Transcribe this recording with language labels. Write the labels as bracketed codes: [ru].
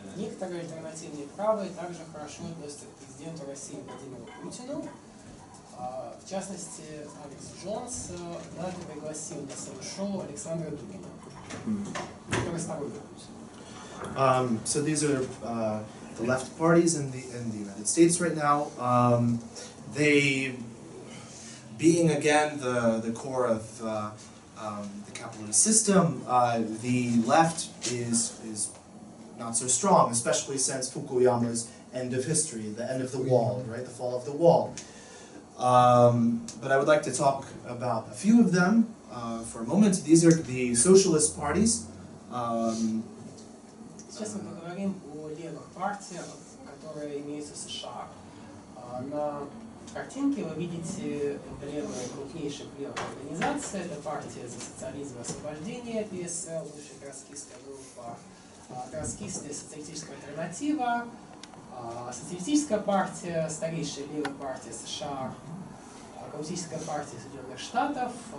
[ru] Некоторые альтернативные правые также хорошо относятся к президенту России Владимиру Путину. В частности, Алекс Джонс однажды пригласил на свое шоу Александра Дугина, который сторонник Путина. [en] So these are the left parties in the United States right now. They being again the core of the capitalist system, the left is not so strong, especially since Fukuyama's end of history, the end of the wall, right, the fall of the wall. But I would like to talk about a few of them for a moment. These are the socialist parties. [ru] Сейчас мы поговорим о левых партиях, которые имеются в США. На картинке вы видите эмблемы крупнейших левых организаций. Это партия за социализм и освобождение, ПСЛ, высшая троцкистская группа, троцкистская социалистическая альтернатива, социалистическая партия, старейшая левая партия США, коммунистическая партия Соединенных Штатов,